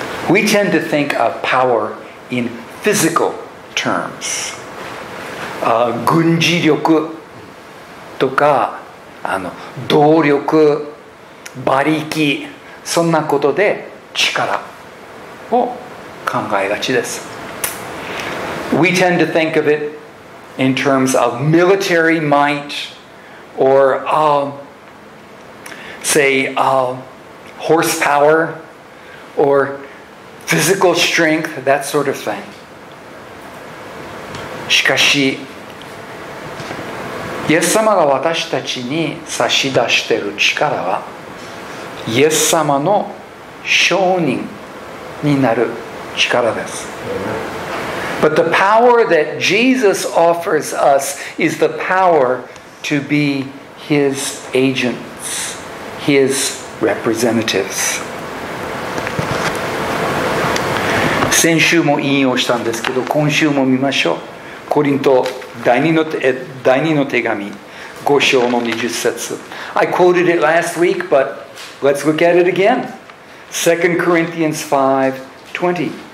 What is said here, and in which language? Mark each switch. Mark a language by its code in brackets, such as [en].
[en] We tend to think of power in physical terms. [ja] 軍事力とか動力、馬力、そんなことで力を考えがちです。 [en] We tend to think of it in terms of military might or horsepower or physical strength, that sort of thing. [ja] しかし、イエス様が私たちに差し出している力は、イエス様の証人になる力です。 [en] But the power that Jesus offers us is the power to be his agents, his representatives. [ja] 先週も引用したんですけど、今週も見ましょう。コリント第2の手紙、5章の20節。 [en] I quoted it last week, but let's look at it again. 2 Corinthians 5:20.